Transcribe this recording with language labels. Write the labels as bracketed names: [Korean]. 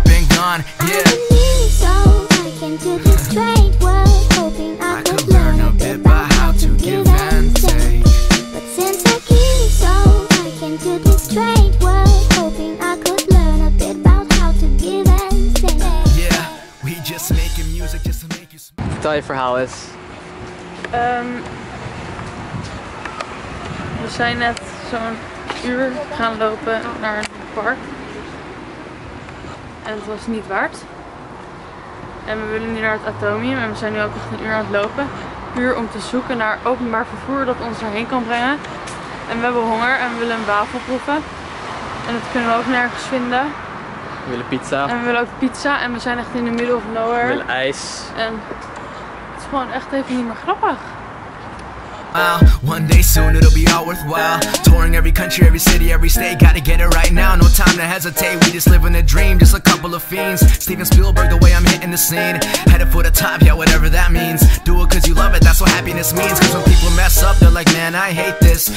[English] Straight world, hoping I could learn a bit about how to give and take. straight way, hoping I could learn a bit about how to give and take. Yeah, we just making music just to make you smile. Tell you for how is. [Dutch] We zijn net zo'n uur gaan lopen naar een park. En het was niet waard. En we willen nu naar het Atomium en we zijn nu ook echt een uur aan het lopen. Puur om te zoeken naar openbaar vervoer dat ons erheen kan brengen. En we hebben honger en we willen een wafel proeven. En dat kunnen we ook nergens vinden. We willen pizza. En we willen ook pizza en we zijn echt [English] in the middle of nowhere. [Dutch] We willen ijs. En het is gewoon echt even niet meer grappig. [English] One day soon it'll be all worthwhile. Touring every country, every city, every state. Gotta get it right now, no time to hesitate. We just living a dream, just a couple of fiends. Steven Spielberg, the way I'm hitting the scene. Headed for the top, yeah, whatever that means. Do it cause you love it, that's what happiness means. Cause when people mess up, they're like, man, I hate this.